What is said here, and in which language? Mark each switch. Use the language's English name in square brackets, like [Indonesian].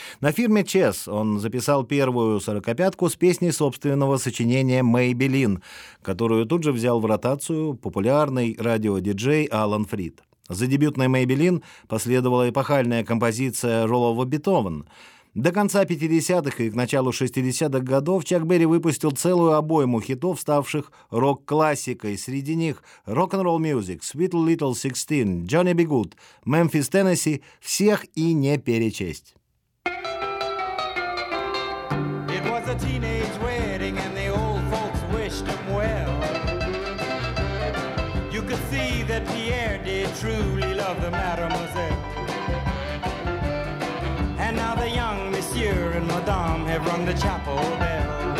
[Russian] На фирме Chess он записал первую 45-ку с песней собственного сочинения «Maybelline», которую тут же взял в ротацию популярный радиодиджей Алан Фрид. За дебютной «Maybelline» последовала эпохальная композиция «Ролова Бетховен». До конца 50-х и к началу 60-х годов Чак Берри выпустил целую обойму хитов, ставших рок-классикой. Среди них «Rock'n'Roll Music», «Sweet Little Sixteen», «Johnny B. Good», «Memphis, Tennessee» — всех и не перечесть. [English] It was a teenage wedding and the old folks wished him well. You could see that Pierre did truly love the mademoiselle. And now the young monsieur and madame have rung the chapel bell.